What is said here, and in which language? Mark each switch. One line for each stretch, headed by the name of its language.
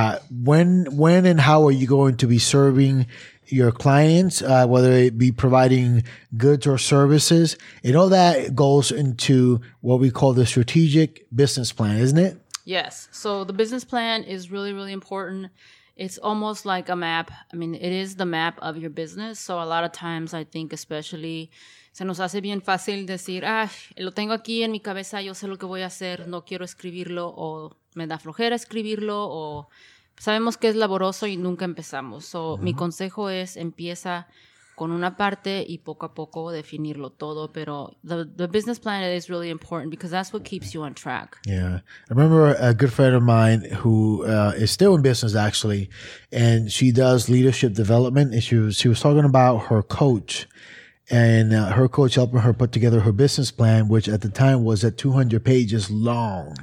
English: When and how are you going to be serving your clients, whether it be providing goods or services, and all that goes into what we call the strategic business plan, isn't it? Yes. So the business plan is really, really important. It's almost like a map. I mean, it is the map of your business. So a lot of times I think especially,
Spanish: se nos hace bien fácil decir, ah, lo tengo aquí en mi cabeza, yo sé lo que voy a hacer, no quiero escribirlo, o me da flojera escribirlo, o sabemos que es laborioso y nunca empezamos. So, mi consejo es empieza con una parte y poco a poco definirlo todo.
English: Pero the business plan is really important because that's what keeps you on track. Yeah. I remember a good friend of mine who is still in business, actually, and she does leadership development. And she was talking about her coach and her coach helping her put together her business plan, which at the time was at 200 pages long.